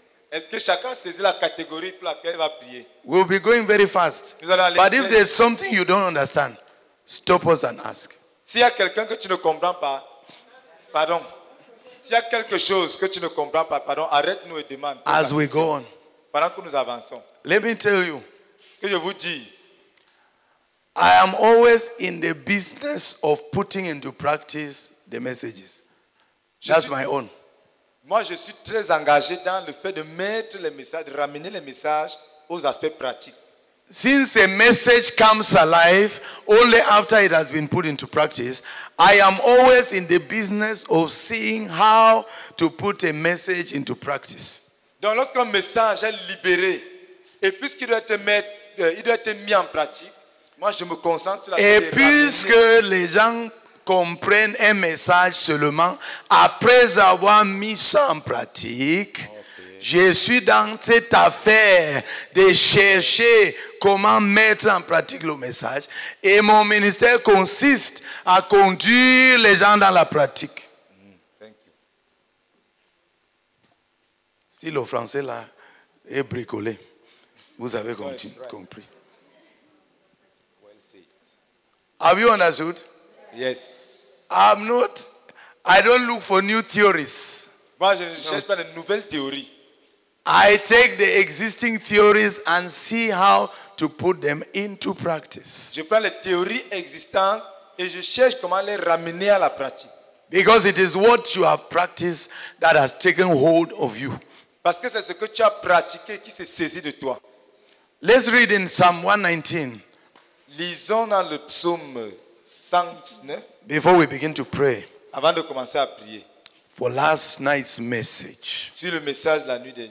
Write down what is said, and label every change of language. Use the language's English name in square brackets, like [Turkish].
[French] Est-ce que chacun saisit la catégorie pour laquelle il va prier? [English] We'll be going very fast. [French] Nous allons aller [English] but if there's something you don't understand, stop us and ask. [French] S'il y a quelqu'un que tu ne comprends pas, pardon. S'il y a quelque chose que tu ne comprends pas, pardon, arrête-nous et demande. [English] As we go on. [French] Pendant que nous avançons. [English] Let me tell you. [French] Que je vous dise, [English] I am always in the business of putting into practice the messages. That's my own. [French] Moi, je suis très engagé dans le fait de mettre les messages, de ramener les messages aux aspects pratiques. [English] Since a message comes alive only after it has been put into practice, I am always in the business of seeing how to put a message into practice. [French] Donc, lorsqu'un message est libéré et puisqu'il doit être mettre il doit être mis en pratique. Moi, je me concentre sur la et puisque les gens comprennent un message seulement après avoir mis ça en pratique, okay. Je suis dans cette affaire de chercher comment mettre en pratique le message. Et mon ministère consiste à conduire les gens dans la pratique. [English] Thank you. [French] Si le français là est bricolé. Vous avez compris. [English] Well said. Have you understood? Yes. I'm not. I don't look for new theories. [French] Moi, je ne cherche pas de nouvelles théories. [English] I take the existing theories and see how to put them into practice. [French] Je prends les théories existantes et je cherche comment les ramener à la pratique. [English] Because it is what you have practiced that has taken hold of you. [French] Parce que c'est ce que tu as pratiqué qui s'est saisi de toi. [English] Let's read in Psalm 119. [French] Lisons dans le psaume 119. [English] Before we begin to pray. [French] Avant de commencer à prier. [English] For last night's message. [French] Sur le message de la nuit dernière.